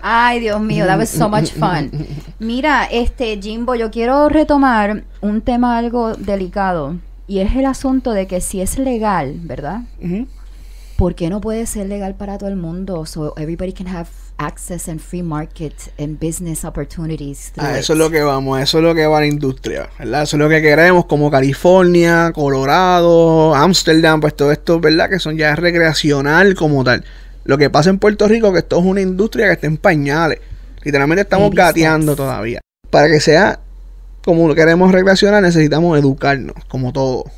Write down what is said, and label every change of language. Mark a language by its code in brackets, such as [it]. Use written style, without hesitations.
[es] Ay, Dios mío, [en] that was so much fun. [es] Mira, Jimbo, yo quiero retomar un tema algo delicado, y es el asunto de que si es legal, ¿verdad? ¿Por qué no puede ser legal para todo el mundo? [en] So everybody can have access and free market and business opportunities. [es] Eso es lo que vamos, eso es lo que va la industria, ¿verdad? Eso es lo que queremos, como California, Colorado, Amsterdam, pues todo esto, ¿verdad? Que son ya recreacional como tal. Lo que pasa en Puerto Rico es que esto es una industria que está en pañales. Literalmente estamos gateando todavía. Para que sea como queremos recreacional, necesitamos educarnos, como todo.